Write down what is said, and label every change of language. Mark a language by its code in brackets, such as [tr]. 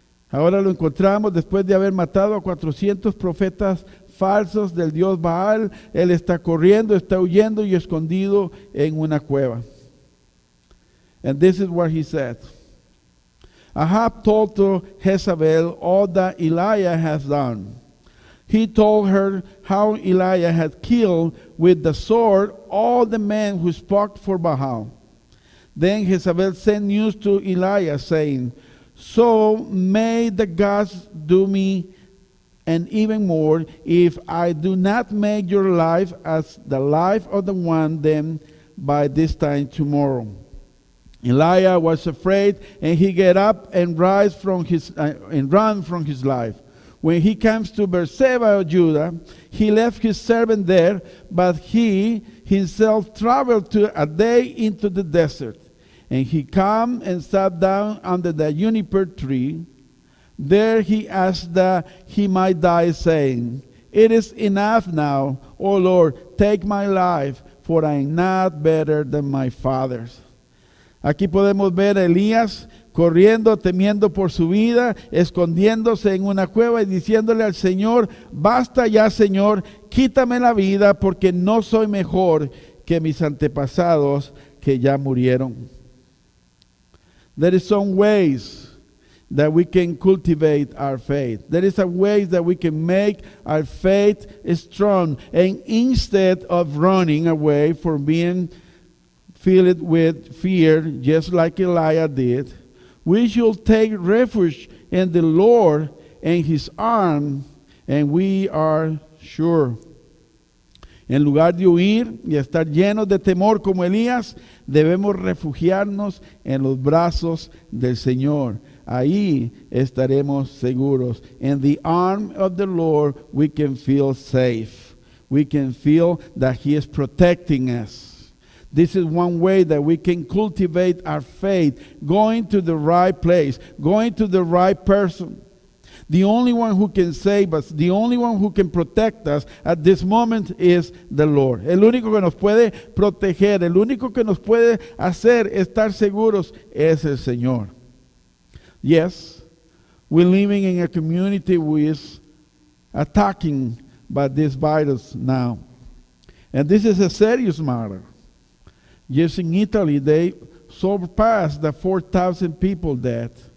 [es] Ahora lo encontramos después de haber matado a 400 profetas falsos del dios Baal. Él está corriendo, está huyendo y escondido en una cueva. [en] And this is what he said. Ahab told to Jezebel all that Elijah has done. He told her how Elijah had killed with the sword all the men who spoke for Baal. Then Jezebel sent news to Elijah saying, "So may the gods do me and even more if I do not make your life as the life of the one then by this time tomorrow." Elijah was afraid and he get up and rise from his and run from his life. When he comes to Beersheba of Judah, he left his servant there, but he himself traveled to a day into the desert. And he came and sat down under the juniper tree. There he asked that he might die, saying, "It is enough now, O Lord, take my life, for I am not better than my father's." [es] Aquí podemos ver a Elías corriendo, temiendo por su vida, escondiéndose en una cueva y diciéndole al Señor, "Basta ya, Señor, quítame la vida porque no soy mejor que mis antepasados que ya murieron." [en] There is some ways that we can cultivate our faith. There is a way that we can make our faith strong. And instead of running away from being filled with fear, just like Elijah did, we should take refuge in the Lord and His arm, and we are sure. [es] En lugar de huir y estar llenos de temor como Elías, debemos refugiarnos en los brazos del Señor. Ahí estaremos seguros. [en] In the arm of the Lord, we can feel safe. We can feel that He is protecting us. This is one way that we can cultivate our faith, going to the right place, going to the right person. The only one who can save us, the only one who can protect us at this moment is the Lord. [es] El único que nos puede proteger, el único que nos puede hacer estar seguros es el Señor. [en] Yes, we're living in a community who is attacking by this virus now. And this is a serious matter. Just in Italy, they surpassed the 4,000 people dead.